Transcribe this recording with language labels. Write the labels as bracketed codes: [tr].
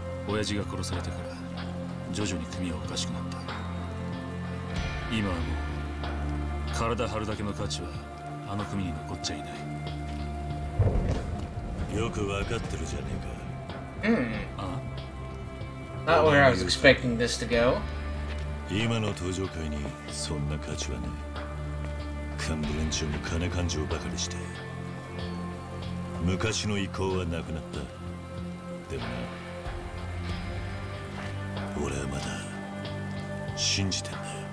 [ja] 親父が殺されてから徐々に組はおかしくなった。今はもう体張るだけの価値はあの組に残っちゃいない。よく分かってるじゃねえか。 [en] Not where I was expecting this to go. [ja] 今の登場会にそんな価値はない。幹部連中も金勘定ばかりして昔の意向はなくなった。でもな、俺はまだ信じてんだよ。